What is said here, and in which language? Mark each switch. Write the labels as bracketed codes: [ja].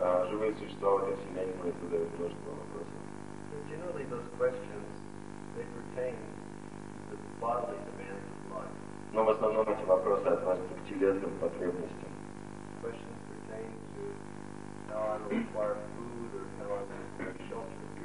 [ru] Живые существа в этой Вселенной задают множество вопросов. [en] Generally, those questions, they pertain to the bodily demands of life. [ru] Но в основном эти вопросы относятся к телесным потребностям. [en] Questions pertain to how I require food or how I require shelter.